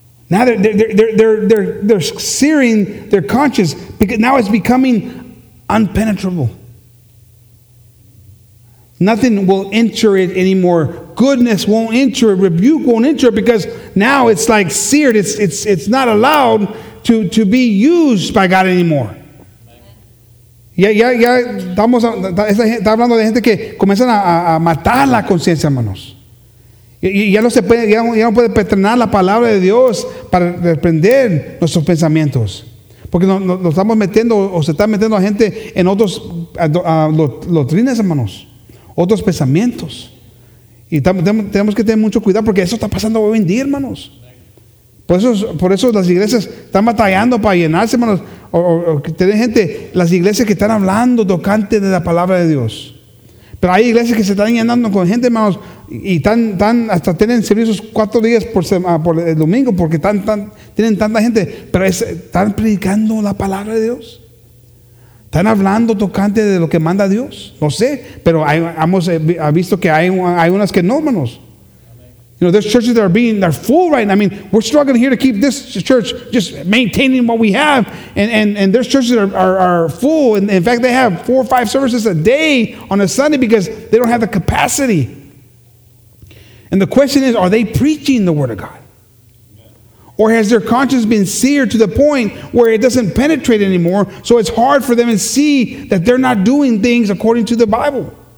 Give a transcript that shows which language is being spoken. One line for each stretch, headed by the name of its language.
English: Now they're searing their conscience because now it's becoming impenetrable. Nothing will enter it anymore. Goodness won't enter it. Rebuke won't enter it because now it's like seared. It's not allowed to be used by God anymore.
Spanish: Ya. Estamos está hablando de gente que comienzan a matar la conciencia, hermanos. Ya no puede perdonar la palabra de Dios para reprender nuestros pensamientos. Porque nos estamos metiendo o se está metiendo a gente en otros doctrinas, hermanos. Otros pensamientos. Y tenemos que tener mucho cuidado porque eso está pasando hoy en día, hermanos. Por eso las iglesias están batallando para llenarse, hermanos. O tener gente, las iglesias que están hablando tocante de la palabra de Dios. Pero hay iglesias que se están llenando con gente, hermanos, y están hasta tienen servicios 4 días por el domingo porque tienen tanta gente. Pero están predicando la palabra de Dios. ¿Están hablando tocante de lo que manda Dios? No sé, pero ha visto que hay unas que no, hermanos.
English: You know, there's churches that are being, they're full right now. I mean, we're struggling here to keep this church just maintaining what we have. And there's churches that are full. And in fact, they have 4 or 5 services a day on a Sunday because they don't have the capacity. And the question is, are they preaching the Word of God? Or has their conscience been seared to the point where it doesn't penetrate anymore, so it's hard for them to see that they're not doing things according to the Bible?